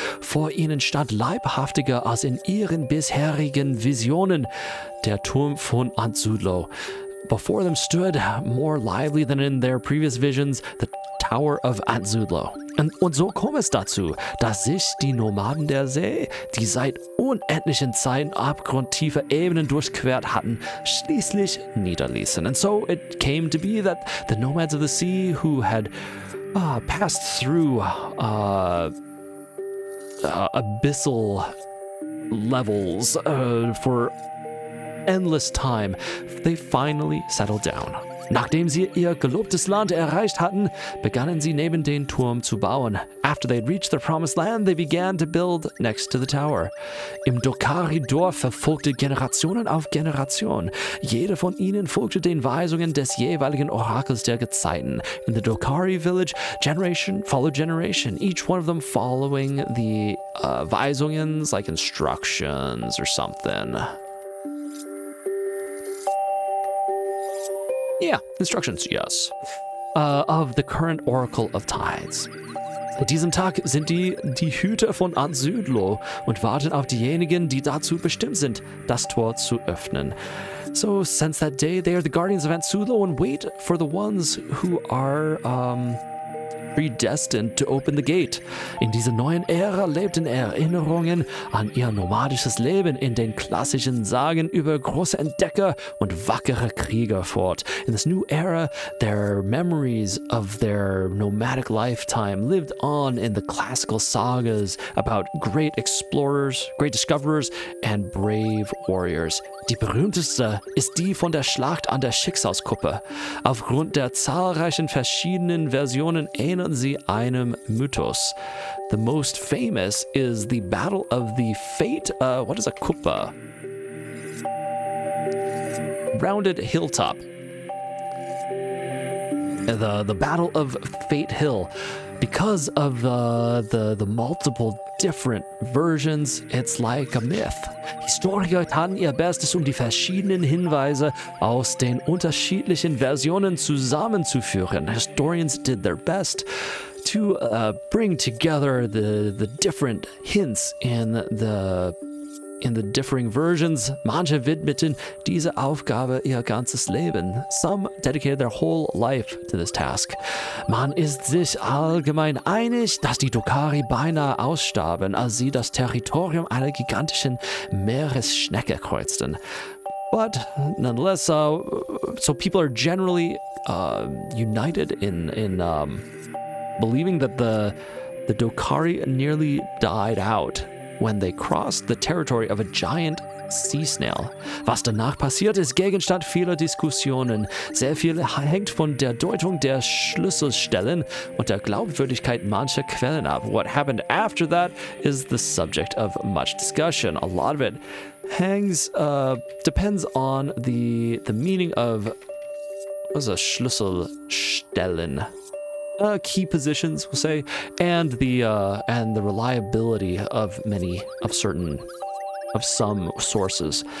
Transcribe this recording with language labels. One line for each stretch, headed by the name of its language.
German: Vor ihnen stand leibhaftiger als in ihren bisherigen Visionen der Turm von Anzudlo.
English: Before them stood, more lively than in their previous visions, the Tower of Anzudlo.
German: Und so kommt es dazu, dass sich die Nomaden der See, die seit unendlichen Zeiten abgrundtiefe Ebenen durchquert hatten, schließlich niederließen.
English: And so it came to be that the Nomads of the Sea, who had passed through abyssal levels for endless time, they finally settled down.
German: Nachdem sie ihr gelobtes Land erreicht hatten, begannen sie neben den Turm zu bauen.
English: After they had reached their promised land, they began to build next to the tower.
German: Im Dokari-Dorf verfolgte Generationen auf Generation. Jede von ihnen folgte den Weisungen des jeweiligen Orakels der Gezeiten.
English: In the Dokari village, generation followed generation, each one of them following the Weisungen's, like instructions or something. Yeah, instructions, yes. Of the current Oracle of Tides.
German: An diesem Tag sind die Hüter von Anzudlo und warten auf diejenigen, die dazu bestimmt sind, das Tor zu öffnen.
English: So, since that day, they are the guardians of Anzudlo and wait for the ones who are predestined to open the gate.
German: In dieser neuen Ära lebten Erinnerungen an ihr nomadisches Leben in den klassischen Sagen über große Entdecker und wackere Krieger fort.
English: In this new era, their memories of their nomadic lifetime lived on in the classical sagas about great explorers, great discoverers, and brave warriors.
German: Die berühmteste ist die von der Schlacht an der Schicksalskuppe. Aufgrund der zahlreichen verschiedenen Versionen ähneln sie einem Mythos.
English: The most famous is the Battle of the Fate, what is a Kuppa? Rounded Hilltop. The Battle of Fate Hill. Because of the multiple different versions, it's like a myth.
German: Historiker taten ihr Bestes, um die verschiedenen Hinweise aus den unterschiedlichen Versionen zusammenzuführen.
English: Historians did their best to bring together the different hints in the differing versions.
German: Manche widmeten diese Aufgabe ihr ganzes Leben.
English: Some dedicated their whole life to this task.
German: Man ist sich allgemein einig, dass die Dokari beinahe ausstarben, als sie das Territorium einer gigantischen Meeresschnecke kreuzten.
English: But nonetheless, so people are generally united in believing that the Dokari nearly died out when they crossed the territory of a giant sea snail.
German: Was danach passiert ist Gegenstand vieler Diskussionen. Sehr viel hängt von der Deutung der Schlüsselstellen und der Glaubwürdigkeit mancher Quellen ab.
English: What happened after that is the subject of much discussion. A lot of it depends on the meaning of, what is a Schlüsselstellen? Key positions, we'll say, and the reliability of many, of some sources.